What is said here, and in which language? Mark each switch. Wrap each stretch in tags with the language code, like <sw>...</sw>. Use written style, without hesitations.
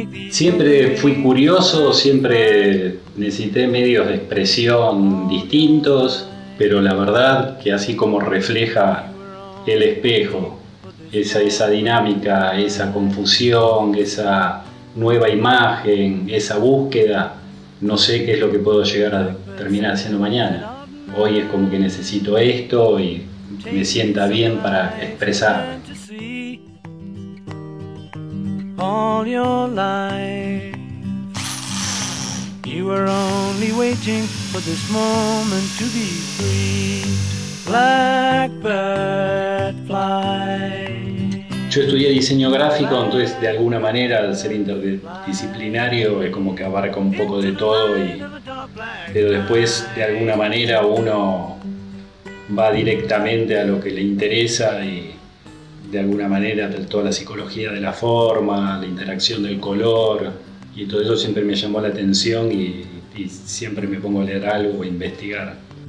<es>Siempre fui curioso, siempre necesité medios de expresión distintos, pero la verdad que así como refleja el espejo, esa dinámica, esa confusión, esa nueva imagen, esa búsqueda, no sé qué es lo que puedo llegar a terminar haciendo mañana. Hoy es como que necesito esto y me sienta bien para expresarme.</es> <en>All your life, you were only waiting for this moment to be free. Blackbird fly.</en> <es>Yo estudié diseño gráfico, entonces de alguna manera al ser interdisciplinario es como que abarca un poco de todo, pero después de alguna manera uno va directamente a lo que le interesa y de alguna manera toda la psicología de la forma, la interacción del color y todo eso siempre me llamó la atención y siempre me pongo a leer algo o a investigar.</es>